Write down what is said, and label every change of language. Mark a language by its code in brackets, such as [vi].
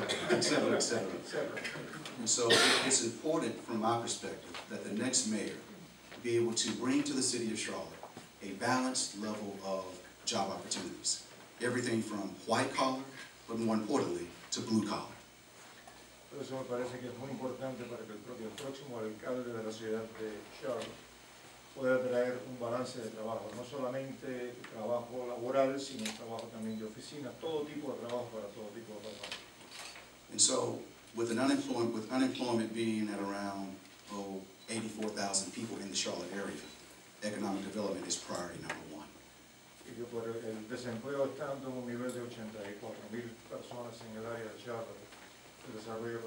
[en] And so it's important from my perspective that the next mayor be able to bring to the city of Charlotte a balanced level of job opportunities. Everything from white collar, but more importantly, to blue collar. [es] Eso me parece que es muy importante para que el propio próximo alcalde de la ciudad de Charlotte pueda traer un balance de trabajo, no solamente trabajo laboral, sino trabajo también de oficina, todo tipo de trabajo para todo tipo de personas. [en] And so, with unemployment being at around 84,000 people in the Charlotte area, economic development is priority number one. [es] Y que por el desempleo estando en un nivel de 84,000 personas en el área de Charlotte,